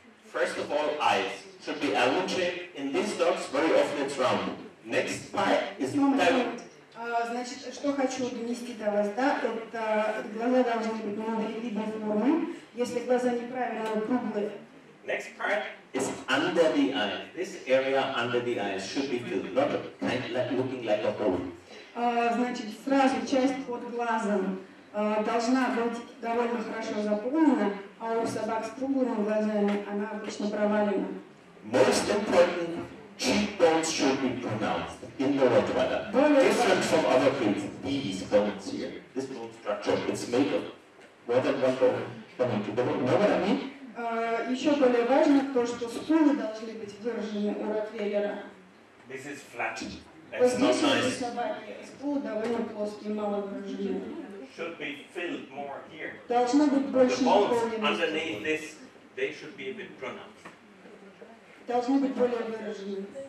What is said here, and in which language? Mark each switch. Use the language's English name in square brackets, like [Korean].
[English] First of all, eyes should be almond shaped. In these dogs, very often it's round. Next part is diamond. [Russian] Значит, что хочу донести до вас, да, это глаза должны быть миндалевидной формы. Если глаза неправильно круглые. [English] Next part is under the eye. This area under the eyes should be filled, not kind of like looking like a hole. [Russian] Значит, сразу часть под глазом должна быть довольно хорошо заполнена, а у собак с круглыми глазами она обычно провалена. [English] Most important, cheekbones should be pronounced in the Rottweiler. Different from other breeds, these bones here, this bone structure, it's made of more than one bone coming to the bone. Know what I mean? [Russian] Еще более важно то, что скулы должны быть выражены у ротвейлера. [English] This is flat. That's not nice. [Russian] Здесь у собаки скулы довольно плоские, мало выражены. [English] Should be filled more here. [Russian] Должно быть больше наполненности. [English] The bones underneath this, they should be a bit pronounced. [Russian] Должны быть более выражены.